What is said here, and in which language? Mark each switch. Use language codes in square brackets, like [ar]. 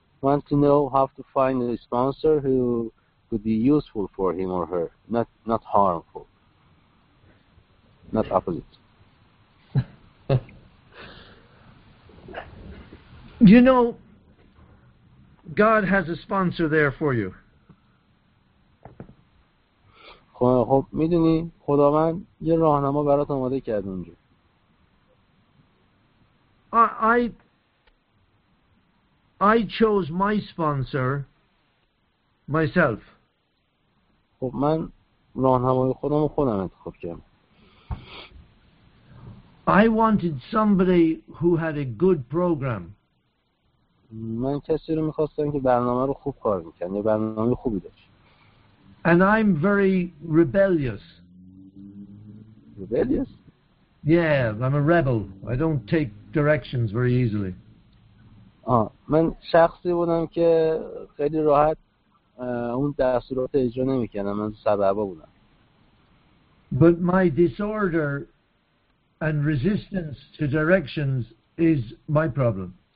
[en] Want to know how to find a sponsor who could be useful for him or her, not harmful. Not opposite. You know, God has a sponsor there for you. [fa] خب میدونی خداوند یه راهنما برات آماده کرده اونجا. [en] I chose my sponsor myself. [fa] خب من راهنمای خودم رو خودم انتخاب کردم. [en] I wanted somebody who had a good program. [fa] من کسی رو می‌خواستم که برنامه رو خوب کار می‌کنه، یه برنامه خوبی داشت. [en] And I'm very rebellious. Rebellious? Yeah, I'm a rebel. I don't take directions very easily. [fa] من شخصی بودم که خیلی راحت اون دستورات اجرا نمی‌کردم، من سبب بودم. [en] But my disorder and resistance to directions is my problem.